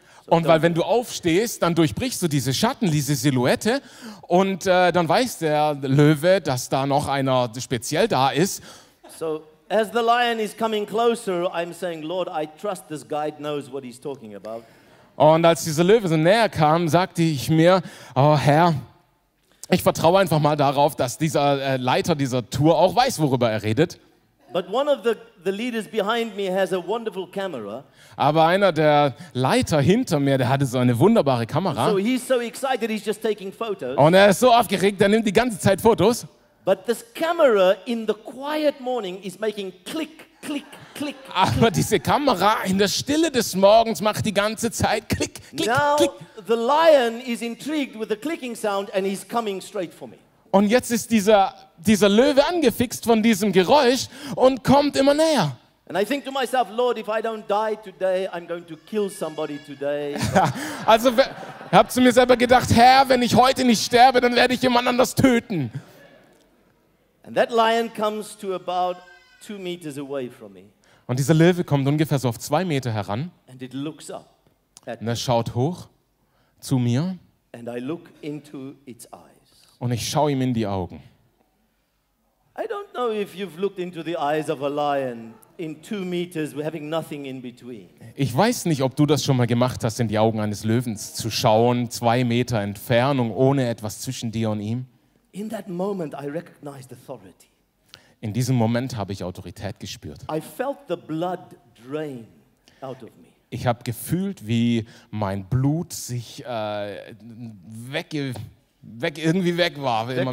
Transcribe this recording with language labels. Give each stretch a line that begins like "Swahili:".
German: weil wenn du aufstehst, dann durchbrichst du diese Schatten, diese Silhouette und dann weiß der Löwe, dass da noch einer speziell da ist.
English: So, as the lion is coming closer, I'm saying, Lord, I trust this guide knows what he's talking about.
German: Und als dieser Löwe so näher kam, sagte ich mir, oh Herr, ich vertraue einfach mal darauf, dass dieser Leiter dieser Tour auch weiß, worüber er redet.
English: But one of the leaders behind me has a wonderful camera.
German: Aber einer der Leiter hinter mir, der hatte so eine wunderbare Kamera.
English: So he's so excited, he's just taking photos.
German: Und er ist so aufgeregt, er nimmt die ganze Zeit Fotos.
English: But this camera in the quiet morning is making click, click, click.
German: Aber diese Kamera in der Stille des Morgens macht die ganze Zeit klick, klick,
English: now,
German: klick.
English: The lion is intrigued with the clicking sound and he's coming straight for me.
German: Und jetzt ist dieser Löwe angefixt von diesem Geräusch und kommt immer näher.
English: And I think to myself, Lord, if I don't die today, I'm going to kill somebody today.
German: Also hab zu mir selber gedacht, Herr, wenn ich heute nicht sterbe, dann werde ich jemand anders töten.
English: And that lion comes to about 2 meters away from me.
German: Und dieser Löwe kommt ungefähr so auf 2 Meter heran.
English: And it looks up
German: at und er schaut hoch zu mir.
English: And I look into its eyes.
German: Und ich schaue ihm in die Augen.
English: I don't know if you've looked into the eyes of a lion in 2 meters, we're having nothing in between.
German: Ich weiß nicht, ob du das schon mal gemacht hast, in die Augen eines Löwens zu schauen, 2 Meter Entfernung, ohne etwas zwischen dir und ihm.
English: In that moment, I recognized authority.
German: In diesem Moment habe ich Autorität gespürt.
English: I felt the blood drain out of me.
German: Ich habe gefühlt, wie mein Blut sich weg war.